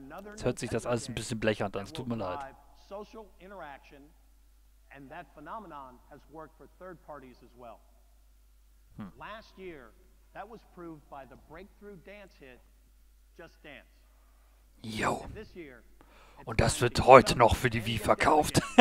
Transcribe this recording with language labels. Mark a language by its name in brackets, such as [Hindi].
[German] Jetzt hört sich das alles ein bisschen blechernd an, es tut mir leid. [English] Social interaction and that phenomenon has worked for third parties as well. Last year, that was proved by the breakthrough dance hit Just Dance. Yo. [German] Und das wird heute noch für die Wii verkauft.